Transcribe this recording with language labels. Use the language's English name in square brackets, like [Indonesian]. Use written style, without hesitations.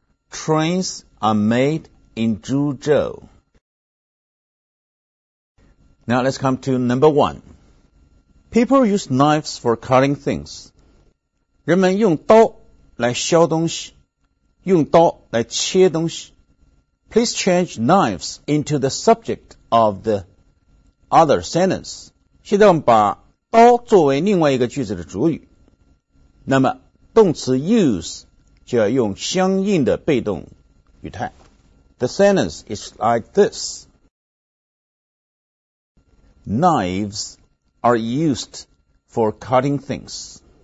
[English] Trains are made in Zhuzhou. Now let's come to number one. People use knives for cutting things. [Chinese] 人们用刀来削东西，用刀来切东西。 [English] Please change knives into the subject of the other sentence. [Chinese] 现在我们把刀作为另外一个句子的主语。那么动词 use 就要用相应的被动语态。 [English] The sentence is like this. Knives are used for cutting things.